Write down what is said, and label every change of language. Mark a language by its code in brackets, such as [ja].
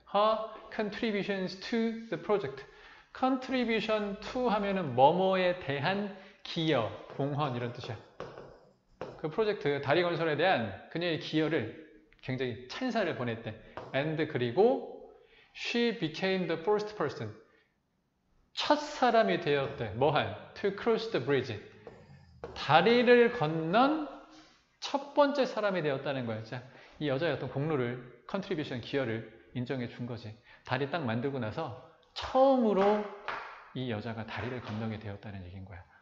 [en] her contributions to the project. [ko] contribution to 하면은 뭐뭐에 대한 기여, 공헌 이런 뜻이야. 그 프로젝트, 다리 건설에 대한 그녀의 기여를 굉장히 찬사를 보냈대. [en] and [ko] 그리고 [en] she became the first person. [ko] 첫 사람이 되었대. 뭐한? [en] to cross the bridge. [ko] 다리를 건넌 첫 번째 사람이 되었다는 거야. 자, 이 여자의 어떤 공로를, 컨트리뷰션, 기여를 인정해 준 거지. 다리 딱 만들고 나서 처음으로 이 여자가 다리를 건너게 되었다는 얘기인 거야.